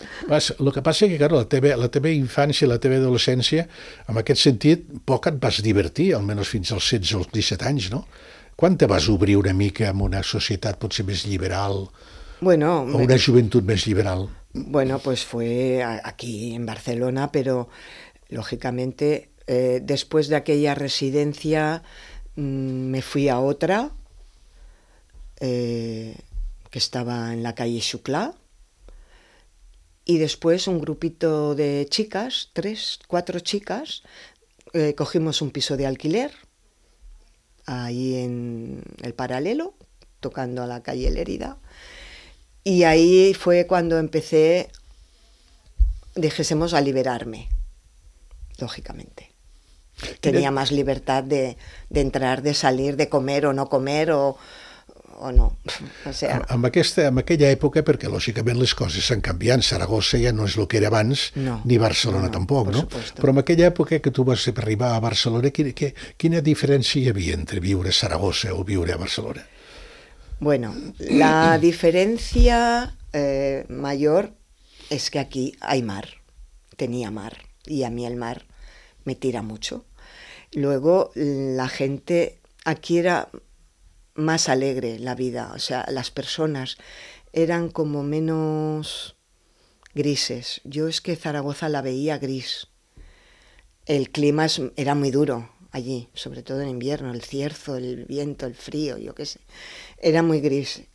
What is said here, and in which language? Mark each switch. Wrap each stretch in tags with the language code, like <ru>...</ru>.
<ca>El que passa és que, clar, la teva infància, la teva adolescència, en aquest sentit, poc et vas divertir, almenys fins als 16 o 17 anys, no? Quan te vas obrir una mica en una societat potser més liberal? Bueno, o una joventut més liberal?</ca> <es>Bueno, pues fue aquí, en Barcelona, pero, lógicamente, Después de aquella residencia me fui a otra, que estaba en la calle Xuclà, y después un grupito de chicas, 3-4 chicas, cogimos un piso de alquiler ahí en el Paralelo, tocando a la calle Lérida, y ahí fue cuando empecé, dijésemos, a liberarme, lógicamente. Tenía más libertad de entrar, de salir, de comer o no comer, o no. O sea,</es> <ca>en aquella època, perquè lògicament les coses s'han canviat, Saragossa ja no és el que era abans, no, ni Barcelona no, tampoc, per no?</ca> <es>Supuesto.</es> <ca>Però en aquella època que tu vas arribar a Barcelona, quina diferència hi havia entre viure a Saragossa o viure a Barcelona? Bueno, la diferència major és que aquí hi ha mar, tenia mar, i a mi el mar</ca> <es>me tira mucho. Luego la gente aquí era más alegre, la vida, o sea, las personas eran como menos grises. Yo es que Zaragoza la veía gris. El clima era muy duro allí, sobre todo en invierno, el cierzo, el viento, el frío, yo qué sé. Era muy gris.</es>